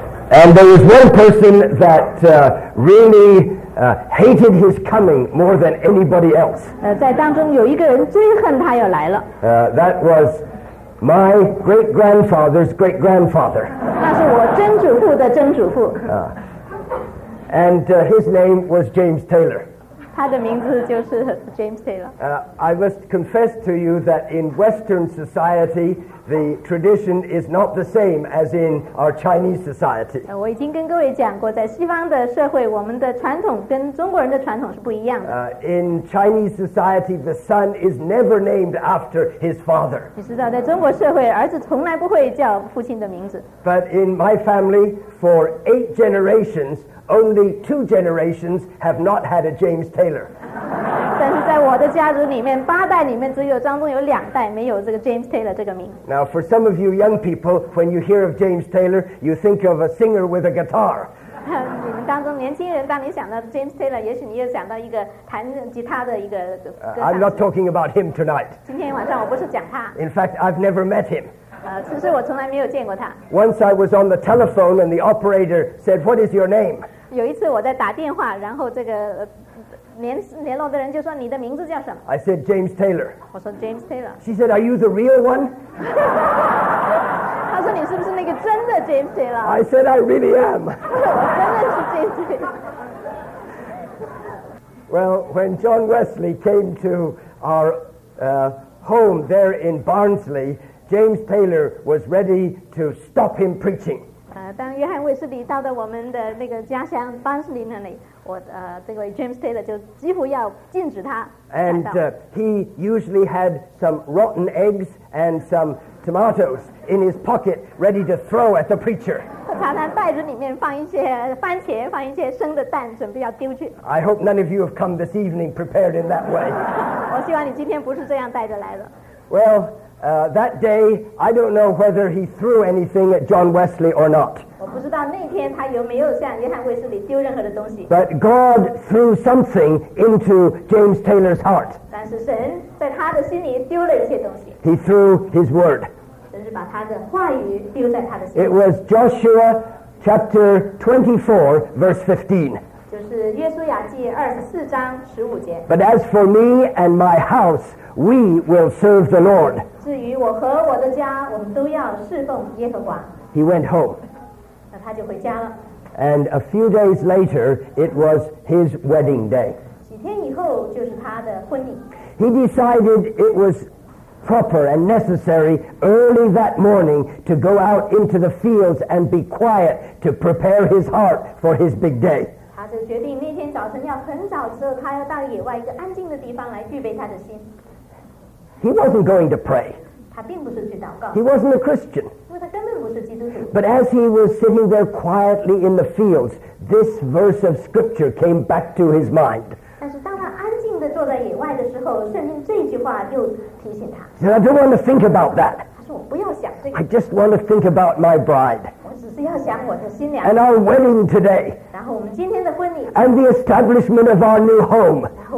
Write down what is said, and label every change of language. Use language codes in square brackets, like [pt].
[en] And there was one person that really hated his coming more than anybody else. [zh] 在当中有一个人最恨他要来了。 [en] That was my great grandfather's great grandfather. [zh] 那是我曾祖父的曾祖父。 [en] And his name was James Taylor. [zh] 他的名字就是 James Taylor. [en] I must confess to you that in Western society, the tradition is not the same as in our Chinese society. [zh] 我已经跟各位讲过，在西方的社会，我们的传统跟中国人的传统是不一样的。 [en] In Chinese society, the son is never named after his father. [zh] 你知道，在中国社会，儿子从来不会叫父亲的名字。 [en] But in my family, for 8 generations,Only 2 generations have not had a James Taylor. [zh] 但是在我的家族里面，八代里面只有当中有两代没有这个 James Taylor 这个名。 [en] Now, for some of you young people, when you hear of James Taylor, you think of a singer with a guitar. [zh] 你们当中年轻人，当你想到 James Taylor, 也许你又想到一个弹吉他的一个歌唱 [en] 者。I'm not talking about him tonight. [zh] 今天晚上我不是讲他。 [en] In fact, I've never met him. [zh] 其实我从来没有见过他。 [en] Once I was on the telephone and the operator said, "What is your name?" [zh] 有一次我在打电话，然后这个联络的人就说你的名字叫什么。 [en] I said James Taylor. [zh] 我说 James Taylor. [en] She said, "Are you the real one?" [zh] 他说你是不是那个真的 James Taylor? [en] I said, "I really am." [zh] 我真的是 James Taylor. [en] Well, when John Wesley came to our home there in Barnsley. James Taylor was ready to stop him preaching. [zh] 当约翰卫斯理到了我们的那个家乡班斯林那里，我这位 James Taylor 就几乎要禁止他。 [en] And he usually had some rotten eggs and some tomatoes in his pocket, ready to throw at the preacher. [zh] 他常袋子里面放一些番茄，放一些生的蛋，准备要丢去。 [en] I hope none of you have come this evening prepared in that way. [zh] 我希望你今天不是这样带着来的。 [en] Well. That day, I don't know whether he threw anything at John Wesley or not. [zh] 我不知道那天他有没有向约翰卫斯理丢任何的东西。 [en] But God threw something into James Taylor's heart. [zh] 但是神在他的心里丢了一些东西。 [en] He threw his word. [zh] 神是把他的话语丢在他的心里。 [en] It was Joshua chapter 24, verse 15. [zh] 就是约书亚记24章15节。 [en] But as for me and my house, we will serve the Lord. [zh] 至于我和我的家，我们都要侍奉耶和华。 [en] He went home. [zh] 那他就回家了。 [en] And a few days later, it was his wedding day. [zh] 几天以后就是他的婚礼。 [en] He decided it was proper and necessary early that morning to go out into the fields and be quiet to prepare his heart for his big day. [zh] 决定那天早晨要很早之后，他要到野外一个安静的地方来预备他的心。 [en] He wasn't going to pray. [zh] 他并不是去祷告。 [en] He wasn't a Christian. [zh] 因为他根本不是基督徒。 [en] But as he was sitting there quietly in the fields, this verse of scripture came back to his mind. [zh] 但是当他安静地坐在野外的时候，圣经这句话又提醒他。 [en] He said, "I don't want to think about that." [zh] 他说我不要想这个。 [en] I just want to think about my bride. And our wedding today. And the establishment of our new home.